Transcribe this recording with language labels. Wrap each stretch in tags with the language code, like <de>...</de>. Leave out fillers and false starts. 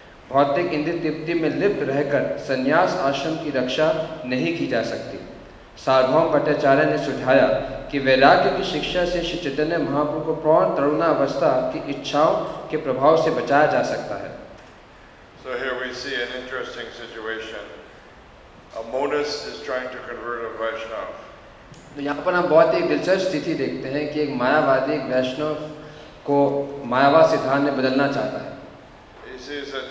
<hi>भौतिक इंद्रिय तृप्ति में लिप्त रहकर सन्यास आश्रम की रक्षा नहीं की जा सकती। सार्वभौम भट्टाचार्य ने सुझाया कि वैराग्य की शिक्षा से श्री चैतन्य महाप्रभु को प्रौढ़ तरुणावस्था की इच्छाओं के प्रभाव से बचाया जा सकता है।</hi> <en>So here we see an interesting situation. A monist is trying to convert a Vaishnav.</en> <hi>तो यहाँ पर हम बहुत ही दिलचस्प स्थिति देखते हैं कि एक मायावादी एक वैष्णव को मायावाद सिद्धांत में बदलना चाहता है।</hi>